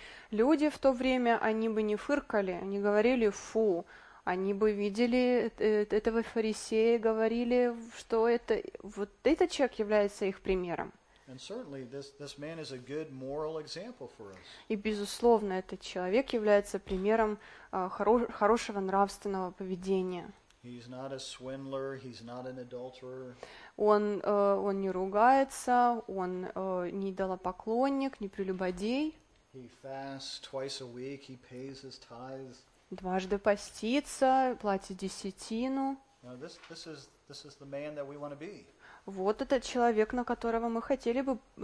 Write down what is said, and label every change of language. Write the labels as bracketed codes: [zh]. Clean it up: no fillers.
[ru] Люди в то время, они бы не фыркали, не говорили «фу», они бы видели этого фарисея и говорили, что это, вот этот человек является их примером. [en] And certainly this man is a good moral example for us. [ru] И безусловно, этот человек является примером хорошего нравственного поведения. [en] He's not a swindler, he's not an adulterer. [ru] Он не ругается, он не идолопоклонник, не прелюбодей. [en] He fasts twice a week, he pays his tithes. [ru] Дважды постится, платит десятину. [en] Now this is the man that we want to be. [ru] Вот этот человек, на которого мы хотели бы